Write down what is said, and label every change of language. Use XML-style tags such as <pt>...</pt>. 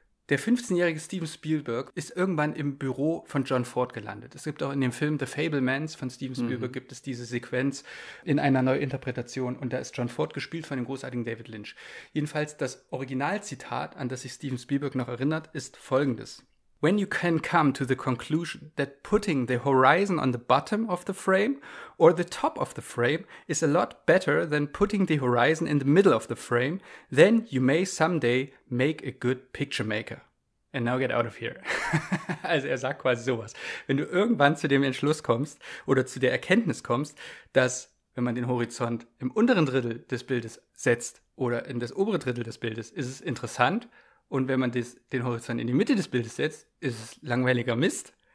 <de>Der 15-jährige Steven Spielberg ist irgendwann im Büro von John Ford gelandet. Es gibt auch in dem Film The Fablemans von Steven Spielberg gibt es diese Sequenz in einer Neuinterpretation. Und da ist John Ford gespielt von dem großartigen David Lynch. Jedenfalls das Originalzitat, an das sich Steven Spielberg noch erinnert, ist folgendes.</de> <en>When you can come to the conclusion that putting the horizon on the bottom of the frame or the top of the frame is a lot better than putting the horizon in the middle of the frame, then you may someday make a good picture maker. And now get out of here.</en> <de>Also er sagt quasi sowas. Wenn du irgendwann zu dem Entschluss kommst oder zu der Erkenntnis kommst, dass wenn man den Horizont im unteren Drittel des Bildes setzt oder in das obere Drittel des Bildes, ist es interessant. Und wenn man den Horizont in die Mitte des Bildes setzt, ist es langweiliger Mist.</de>